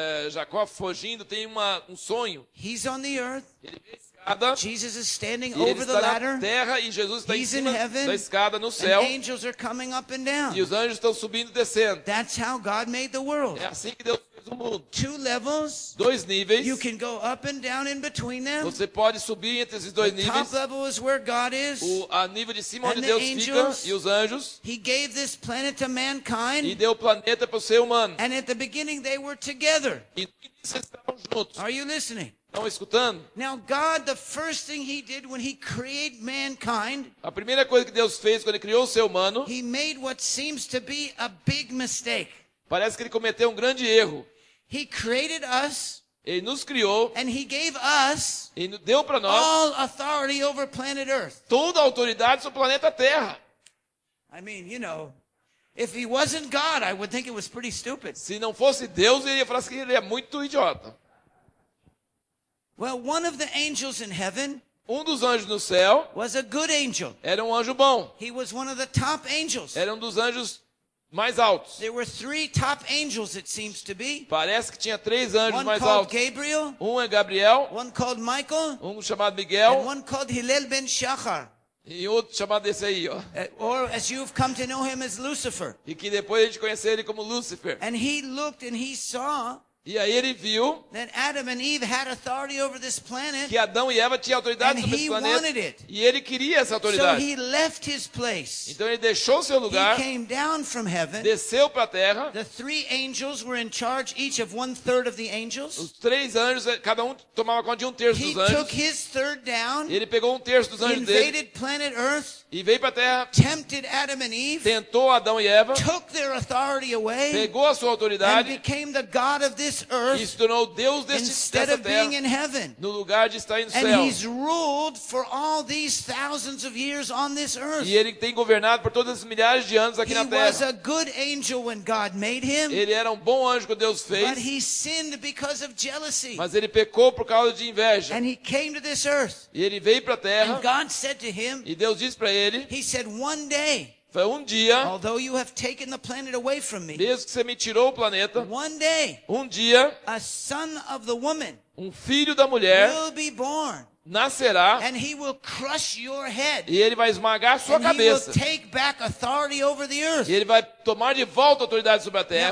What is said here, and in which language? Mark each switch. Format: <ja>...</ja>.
<pt>Jacó fugindo tem um sonho.</pt> <en>He's on the earth. Jesus is standing over the ladder.</en> <pt>Terra e Jesus está</pt> <en>He's</en> <pt>em cima</pt> <en>heaven,</en> <pt>da escada no céu.</pt> <en>And angels are coming up and down.</en> <pt>E os anjos estão subindo e descendo.</pt> <en>That's how God made the world.</en> <pt>É assim que Deus fez o mundo.</pt> <en>Two levels.</en> <pt>Dois níveis.</pt> <en>You can go up and down in between them.</en> <pt>Você pode subir entre esses dois</pt> <en>the</en> <pt>níveis.</pt> <en>Top level is where God is.</en> <pt>A nível de cima</pt> <en>and</en> <pt>onde Deus</pt> <en>angels,</en> <pt>fica e os anjos.</pt> <en>He gave this planet to mankind.</en> <pt>E deu o planeta para o ser humano.</pt> <en>And at the beginning they were together.</en> <pt>E eles estavam juntos.</pt> <en>Are you listening?</en> <pt>Estão escutando?</pt> <en>Now God, the first thing he did when he created mankind,</en> <pt>a primeira coisa que Deus fez quando ele criou o ser humano,</pt> <en>he made what seems to be a big mistake.</en> <pt>Parece que ele cometeu um grande erro.</pt> <en>He created us,</en> <pt>ele nos criou,</pt> <en>and he gave us,</en> <pt>e deu para nós,</pt> <en>all authority over planet Earth.</en> <pt>Toda a autoridade sobre o planeta Terra.</pt> <en>I mean, you know, if he wasn't God, I would think it was pretty stupid.</en> <pt>Se não fosse Deus, eu ia falar que ele é muito idiota.</pt> <en>Well, one of the angels in heaven</en> <pt>dos anjos no céu</pt> <en>was a good angel.</en> <pt>Era anjo bom.</pt> <en>He was one of the top angels.</en> <pt>Era dos anjos mais altos.</pt> <en>There were three top angels, it seems to be.</en> <pt>Parece que tinha três anjos</pt> <en>one</en> <pt>mais</pt> <en>called</en> <pt>altos.</pt> <en>Gabriel.</en> <pt>É Gabriel.</pt> <en>One called Michael.</en> <pt>Chamado Miguel.</pt> <en>And one called Hillel ben Shachar.</en> <pt>E outro chamado esse aí, ó.</pt> <en>Or as you've come to know him as Lucifer.</en> <pt>E que depois a gente conheceu ele como Lucifer.</pt> <en>And he looked and he saw</en> <pt>e aí ele viu</pt> <en>Adam and Eve had authority over this planet,</en> <pt>que Adão e Eva tinham autoridade sobre esse planeta</pt> <en>wanted it.</en> <pt>E ele queria essa autoridade.</pt> <en>So he left his place.</en> <pt>Então ele deixou seu lugar.</pt> <en>He came down from heaven.</en> <pt>Desceu para a terra.</pt> <en>The three angels were in charge, each of one third of the angels.</en> <pt>Os três anjos, cada tomava conta de terço</pt> <en>he</en> <pt>dos anjos.</pt> <en>Took his third down,</en> <pt>ele pegou terço dos anjos</pt> <en>invaded</en> <pt>dele,</pt> <en>planet Earth,</en> <pt>e veio para a terra.</pt> <en>Tempted Adam and Eve,</en> <pt>tentou Adão e Eva.</pt> <en>Took their authority away,</en> <pt>pegou a sua autoridade.</pt> <en>And became the God of this earth,</en> <pt>e se tornou Deus deste,</pt> <en>instead of being in heaven,</en> <pt>no lugar de estar no céu.</pt> <en>And he's ruled for all these thousands of years on this earth.</en> <pt>E ele tem governado por todas as milhares de anos aqui</pt> <en>he</en> <pt>na terra.</pt> <en>Was a good angel when God made him,</en> <pt>ele era um bom anjo quando Deus fez.</pt> <en>But he sinned because of jealousy.</en> <pt>Mas ele pecou por causa de inveja.</pt> <en>And he came to this earth,</en> <pt>e ele veio para a terra.</pt> <en>And God said to him,</en> <pt>e Deus disse para ele,</pt> <en>he said, one day,</en> <pt>foi dia,</pt> <en>although you have taken the planet away from me,</en> <pt>mesmo que você me tirou o planeta,</pt> <en>one day,</en> <pt>dia,</pt> <en>a son of the woman,</en> <pt>filho da mulher,</pt> <en>will be born,</en> <pt>nascerá,</pt> <en>and he will crush your head,</en> <pt>e ele vai esmagar a sua</pt> <en>and</en> <pt>cabeça,</pt> <en>he will take back authority over the earth.</en> <pt>E ele vai tomar de volta a autoridade sobre a terra.</pt>